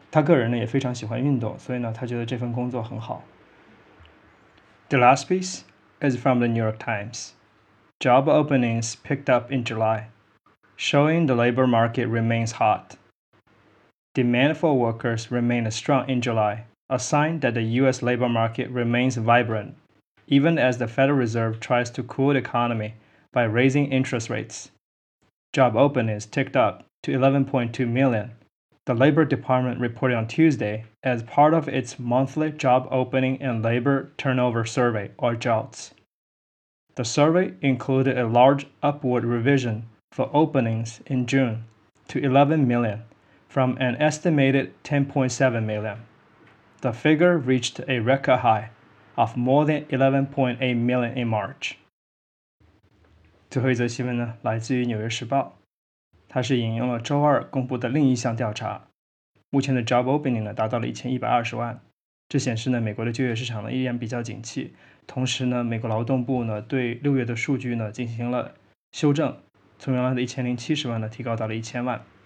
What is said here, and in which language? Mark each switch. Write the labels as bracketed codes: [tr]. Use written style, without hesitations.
[zh] 他个人呢也非常喜欢运动，所以呢他觉得这份工作很好。 [en] The last piece is from the New York Times. Job openings picked up in July, showing the labor market remains hot. Demand for workers remained strong in July, a sign that the U.S. labor market remains vibrant, even as the Federal Reserve tries to cool the economy by raising interest rates. Job openings ticked up to 11.2 million, the Labor Department reported on Tuesday as part of its monthly Job Opening and Labor Turnover Survey, or JOLTS. The survey included a large upward revision for openings in June to 11 million from an estimated 10.7 million. The figure reached a record high of more than 11.8 million in March. [zh] 最后一则新闻呢，来自于《纽约时报》，它是引用了周二公布的另一项调查，目前的 job opening 呢达到了1120万，这显示呢美国的就业市场呢依然比较景气。同时呢，美国劳动部呢对六月的数据呢进行了修正，从原来的1070万呢提高到了1000万。